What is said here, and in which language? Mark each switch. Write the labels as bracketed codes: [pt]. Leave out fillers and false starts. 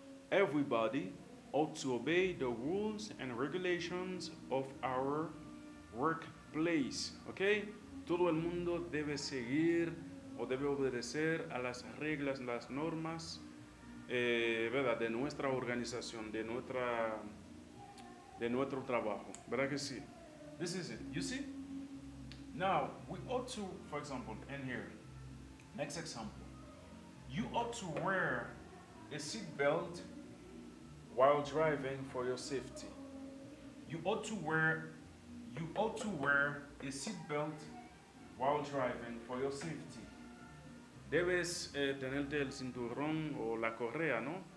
[en] Everybody ought to obey the rules and regulations of our workplace. Okay? [es] Todo el mundo debe seguir o debe obedecer a las reglas, las normas, ¿verdad? De nuestra organización, de nuestro trabajo. ¿Verdad que sí? [en] This is it. You see? Now, we ought to, for example, in here. Next example. You ought to wear a seat belt while driving for your safety. You ought to wear a seat belt while driving for your safety. [es] Debes tenerte el cinturón o la correa, ¿no?